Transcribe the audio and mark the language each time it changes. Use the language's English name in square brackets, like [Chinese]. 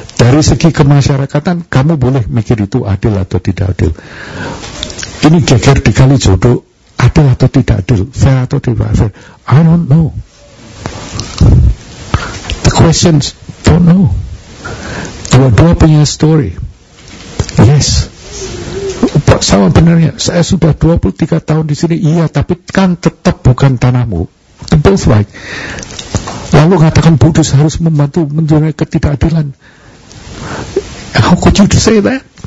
[Indonesian] Dari segi kemasyarakatan, kamu boleh mikir itu adil atau tidak adil. Ini geger dikali jodoh, adil atau tidak adil, fair atau tidak fair. [English] I don't know. The questions, don't know. [Indonesian] Dua-dua punya story. Yes. Sama benarnya, saya sudah 23 tahun di sini, iya, tapi kan tetap bukan tanahmu. [English] The both right. [Indonesian] Lalu katakan Buddhis harus membantu menjaga ketidakadilan. [English] How could you say that?